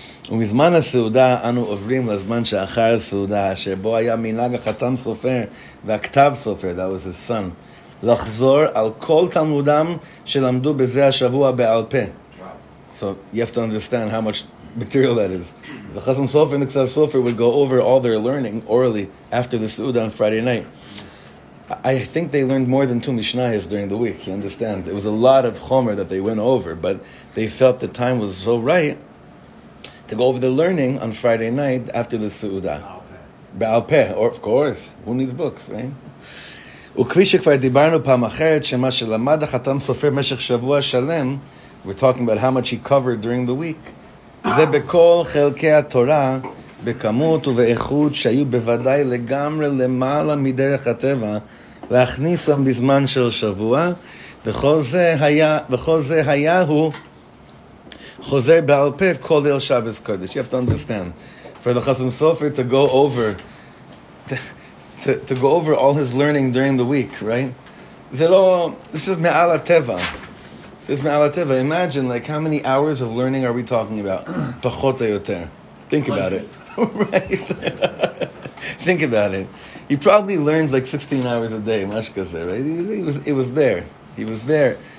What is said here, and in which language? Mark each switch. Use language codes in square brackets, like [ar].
[he] ומזמן הסעודה אנו עוברים לזמן שאחר הסעודה אשר בו היה מנהג החתם סופר והכתב סופר, [en] that was his son, [he] לחזור על כל תלמודם שלמדו בזה השבוע בעל פה. [en] So you have to understand how much material that is. The Chasam Sofer and the Ksav Sofer would go over all their learning orally after the Seuda on Friday night. I think they learned more than two Mishnayos during the week, you understand? It was a lot of Chomer that they went over, but they felt the time was so right to go over the learning on Friday night after the Seuda. Ba'al peh, or of course, who needs books, right? [he] וכפי שכבר דיברנו פעם אחרת, שמה שלמד החתם סופר משך שבוע שלם, [en] we're talking about how much he covered during the week, [he] זה בכל חלקי התורה, בכמות ובאיכות, שהיו בוודאי לגמרי למעלה מדרך הטבע, להכניס להם בזמן של שבוע, וכל זה היה הוא, Chozer Ba'al Peh Kol Leil Shabbos Kodesh. [en] You have to understand, for the Chasam Sofer to go over to go over all his learning during the week, right? This is Me'al HaTeva. This is Me'al HaTeva. Imagine, like, how many hours of learning are we talking about? [he] Pachot HaYoter. [en] Think about it. Right? Think about it. He probably learned like 16 hours a day, Mashka's there, right? He was there.